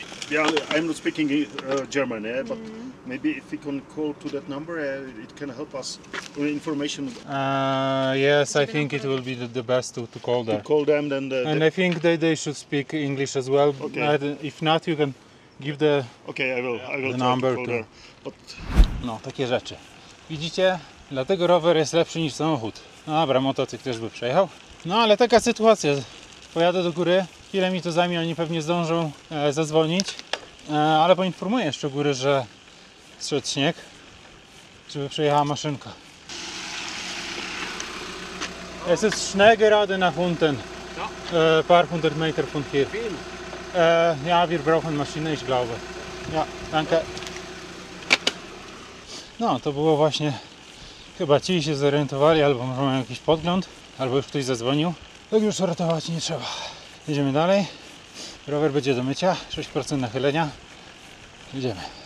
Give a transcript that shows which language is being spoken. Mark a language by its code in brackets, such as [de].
[en] Yeah, I'm not speaking German, yeah, but maybe if we can call to that number, it can help us with information. Yes, I think it will be the best to call them. To call them, then and I think they should speak English as well. Okay. If not, you can give the okay. I will the number to. [pl] No, takie rzeczy. Widzicie? Dlatego rower jest lepszy niż samochód. Dobra, motocykl też by przejechał. No ale taka sytuacja. Pojadę do góry, chwilę mi to zajmie, oni pewnie zdążą zadzwonić. Ale poinformuję jeszcze góry, że zszedł śnieg, żeby przejechała maszynka. [de] Es ist schnell gerade nach unten. Paar hundert Meter von hier. Ja, wir brauchen Maschine, ich glaube. Ja, danke. [pl] No, to było właśnie... Chyba ci się zorientowali, albo może mają jakiś podgląd, albo już ktoś zadzwonił. Tak już ratować nie trzeba. Jedziemy dalej. Rower będzie do mycia. 6% nachylenia. Idziemy.